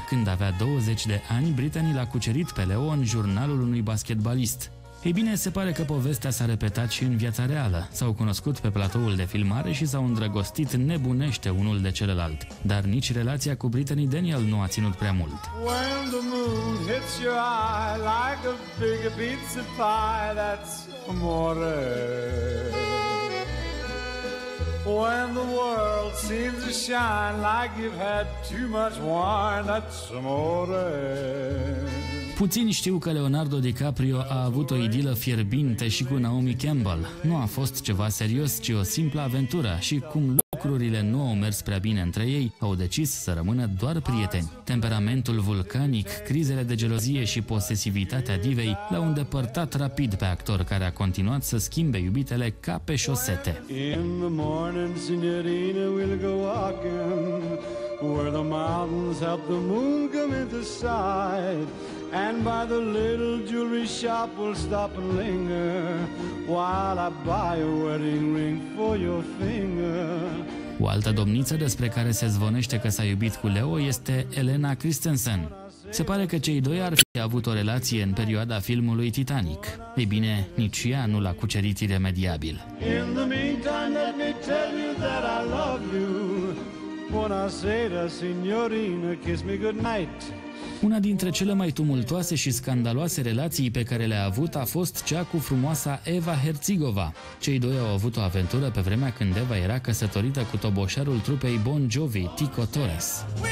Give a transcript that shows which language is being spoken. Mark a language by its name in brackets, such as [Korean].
[Romanian] Când avea 20 de ani, Brittany l-a cucerit pe Leo în jurnalul unui basketbalist. Ei bine, se pare că povestea s-a repetat și în viața reală. S-au cunoscut pe platoul de filmare și s-au îndrăgostit nebunește unul de celălalt. Dar nici relația cu Brittany Daniel nu a ținut prea mult. [English] When the moon hits your eye like a big pizza pie, that's amore. When the world seems to shine like you've had too much wine, that's amore. [Romanian] Puțin știu că Leonardo DiCaprio a avut o idilă fierbinte și cu Naomi Campbell. Nu a fost ceva serios, ci o simplă aventură și cum lucrurile nu au mers prea bine între ei, au decis să rămână doar prieteni. Temperamentul vulcanic, crizele de gelozie și posesivitatea divei l-au îndepărtat rapid pe actor, care a continuat să schimbe iubitele ca pe șosete. [English] In the morning, signorina, we'll go walking where the mountains help the moon come into sight. And by the little jewelry shop we'll stop and linger while I buy a wedding ring for your finger. [Romanian] O altă domniță despre care se zvonește că s-a iubit cu Leo este Elena Christensen. Se pare că cei doi ar fi avut o relație în perioada filmului Titanic. Ei bine, nici ea nu l-a cucerit iremediabil. [English] In the meantime, let me tell you that I love you. [Italian] Buona sera, signorina, [English] kiss me good night. [Romanian] Una dintre cele mai tumultoase și scandaloase relații pe care le-a avut a fost cea cu frumoasa Eva Herzigova. Cei doi au avut o aventură pe vremea când Eva era căsătorită cu toboșarul trupei Bon Jovi, Tico Torres.